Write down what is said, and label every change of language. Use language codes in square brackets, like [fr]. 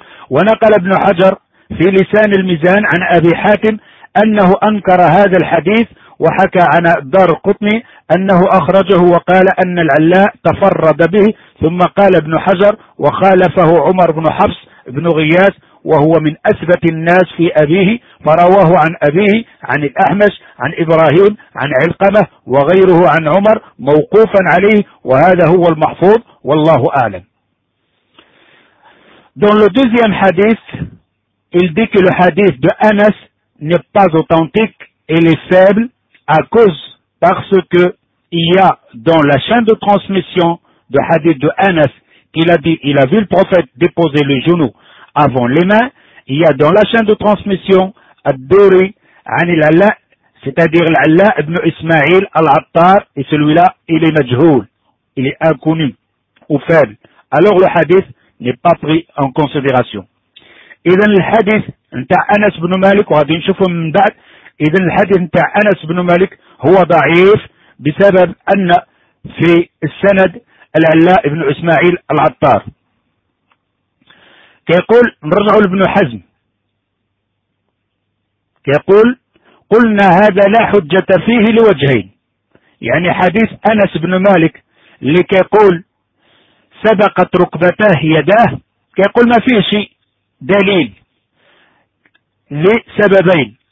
[ar] ونقل ابن حجر في لسان الميزان عن أبي حاتم أنه أنكر هذا الحديث وحكى عن دار قطني أنه أخرجه وقال أن العلاء تفرد به ثم قال ابن حجر وخالفه عمر بن حفص بن غياث وهو من أثبت الناس في أبيه، فرواه عن أبيه عن الأحمش عن إبراهيم عن علقمة وغيره عن عمر موقوفا عليه، وهذا هو المحفوظ والله أعلم. دون لو دوزيام حديث [fr] il dit que le hadith de Anas n'est pas authentique, il est faible à cause parce que il y a dans la chaîne de transmission de hadith de Anas qu'il a dit il a vu le prophète déposer le genou avant les mains, il y a dans la chaîne de transmission Ad-Duri anil Alla, c'est-à-dire Alla ibn Ismail al-Attar, et celui-là il est majhoul, il est inconnu ou faible, alors le hadith n'est pas pris en considération. [ar] إذا الحديث نتاع أنس بن مالك وهذه نشوفه من بعد، إذا الحديث نتاع أنس بن مالك هو ضعيف بسبب أن في السند العلاء بن إسماعيل العطار. كيقول نرجع لابن حزم كيقول قلنا هذا لا حجة فيه لوجهين، يعني حديث أنس بن مالك اللي كيقول سبقت ركبتاه يداه كيقول ما فيه شيء دليل لسببين.